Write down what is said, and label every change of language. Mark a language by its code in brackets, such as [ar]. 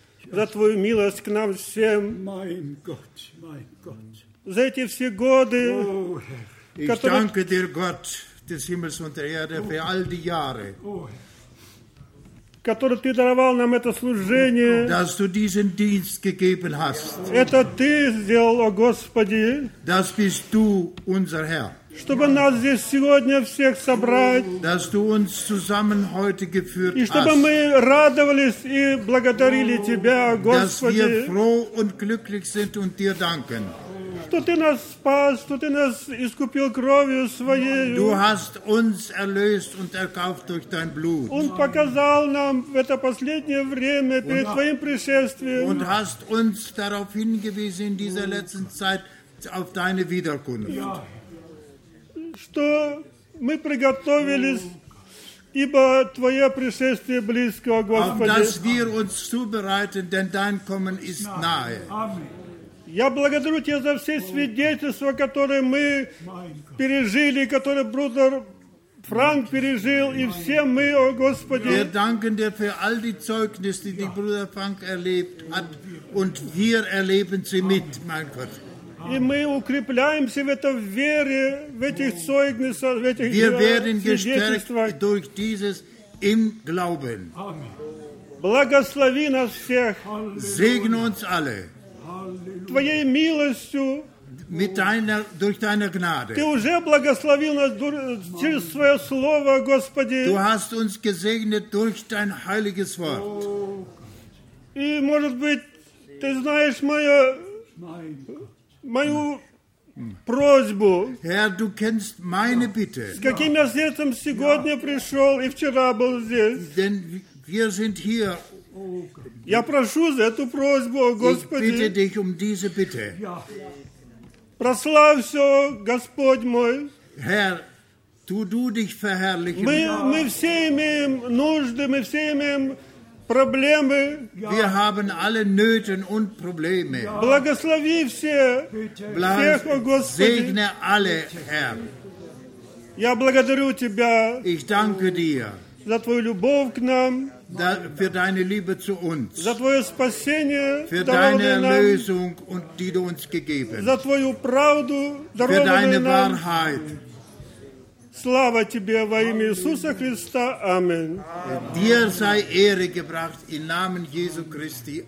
[ru] За твою милость к нам всем. [de] Mein Gott, mein Gott. [ru] За эти все годы. [de] Oh, Herr. Ich danke dir, Gott des Himmels und der Erde, oh. Für all die Jahre. [ru] Который ты даровал нам это служение. [de] Dass du diesen Dienst gegeben hast. [ru] Это ты сделал, о Господи. [de] Das bist du, unser Herr. [ru] Чтобы нас здесь сегодня всех собрать. [de] Dass du uns zusammen heute geführt hast. [ru] И чтобы мы радовались и благодарили тебя, Господи. [de] Dass wir froh und glücklich sind und dir danken. [ru] Что ты нас спас, что ты нас искупил кровью своей. [de] Du hast uns erlöst und erkauft durch dein Blut. [ru] Он показал нам в это последнее время перед твоим пришествием. [de] Und hast uns darauf hingewiesen in dieser letzten Zeit auf deine Wiederkunft. [ru] Что мы приготовились, ибо твое пришествие близко, Господи. [de] Dass wir uns zubereiten, denn dein Kommen ist nahe. [ru] Я благодарю тебя за все свидетельства, которые мы пережили, которые брудер Франк пережил, и все мы, о Господи. [de] Wir danken dir für all die Zeugnisse, die die Bruder Frank erlebt hat, und wir erleben sie mit, mein Gott. [ru] И мы укрепляемся в этом вере, в этих Zeugnissen, в этих свидетельствах. [de] Wir werden gestärkt durch dieses im Glauben. [ru] Благослови нас всех. [de] Segne uns alle. [ru] Твоей милостью, [de] mit deiner, durch deine Gnade. [ru] Ты уже благословил нас через свое слово, Господи. [de] Du hast uns gesegnet durch dein heiliges Wort. [ru] И, может быть, ты знаешь мою просьбу. [de] Herr, du kennst meine Bitte. [ru] С каким я сердцем сегодня пришел и вчера был здесь. [de] Denn wir sind hier. [ru] Я прошу за эту просьбу, Господи. [de] Ich bitte dich um diese Bitte. [ru] Прославься, Господь мой. [de] Herr, tu du dich verherrlichen. [ru] Мы все имеем нужды, мы все имеем проблемы. [de] Wir haben alle Nöte und Probleme. [ru] Благослови всех, о Господи. [de] Segne alle, Herr. [ru] Я благодарю тебя. [de] Ich danke dir. [ru] За твою любовь к нам. [de] Da, für deine Liebe zu uns, [ru] за твое спасение, [de] für deine Erlösung, und die du uns gegeben hast, [ru] за твою правду, [de] für deine Wahrheit. [ru] Слава тебе во имя Иисуса Христа. [de] Amen. Dir sei Ehre gebracht im Namen Jesu Christi.